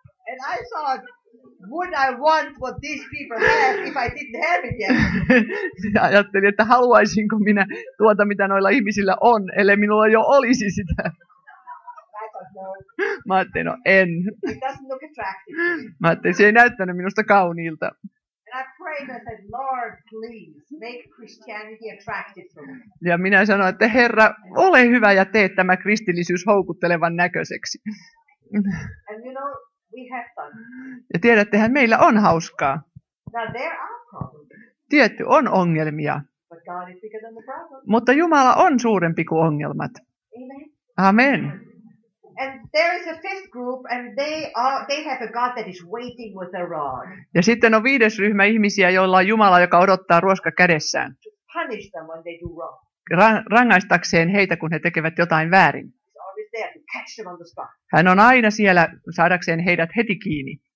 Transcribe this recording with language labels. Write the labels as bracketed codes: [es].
[en] And I thought, would I want what these people had if I didn't have it yet? [fi] Ajattelin, että haluaisinko minä tuota, mitä noilla ihmisillä on, ellei minulla jo olisi sitä. Mä ajattelin, no en. [en] It doesn't look attractive. [fi] Mä ajattelin, se ei näyttänyt minusta kauniilta. [en] I pray that Lord, please make Christianity attractive for me. [fi] Ja minä sanoin, että Herra, ole hyvä ja tee tämä kristillisyys houkuttelevan näköiseksi. [en] And you know, we have fun. [fi] Ja tiedättehän, meillä on hauskaa. [en] Now, there are problems. [fi] Tietty on ongelmia. [en] But God is bigger than the problem. [fi] Mutta Jumala on suurempi kuin ongelmat. Amen. Amen. [en] And there is a fifth group and they have a God that is waiting with a rod. [fi] Ja sitten on viides ryhmä ihmisiä, joilla on Jumala, joka odottaa ruoska kädessään. [en] To punish them when they do wrong. [fi] Rangaistakseen heitä, kun he tekevät jotain väärin. [en] Catch them on the spot. [fi] Hän on aina siellä saadakseen heidät heti kiinni.